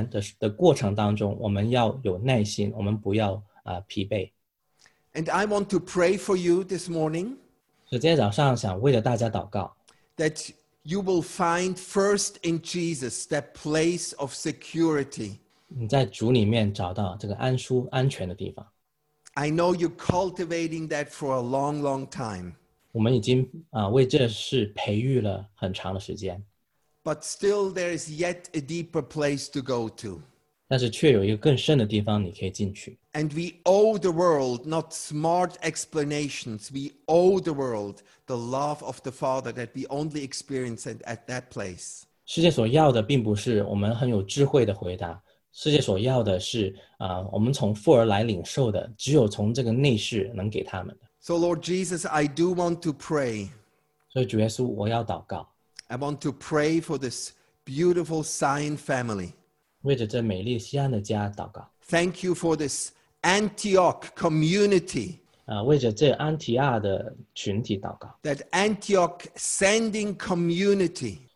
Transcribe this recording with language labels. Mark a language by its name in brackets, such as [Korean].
[Chinese] 甚至在我们等候这一切的事情复还的过程当中， 我们要有耐心， 我们不要， 疲惫。 [English] And I want to pray for you this morning. [Chinese] 今天早上想为了大家祷告, [English] that you will find first in Jesus that place of security. [Chinese] 你在主里面找到这个安舒安全的地方。 [English] I know you're cultivating that for a long, long time. [Chinese] 我们已经, 为这事培育了很长的时间。 [English] But still there is yet a deeper place to go to. [Chinese] 但是却有一个更深的地方你可以进去。 [English] And we owe the world, not smart explanations, we owe the world the love of the Father that we only experience at that place. [Chinese] 世界所要的并不是我们很有智慧的回答, 世界所要的是, 我们从父而来领受的, 只有从这个内室能给他们的。 [English] So Lord Jesus, I do want to pray. [Chinese] 所以主耶稣我要祷告。 [English] I want to pray for this beautiful Sion family. Thank you for this Antioch community. That Antioch sending community.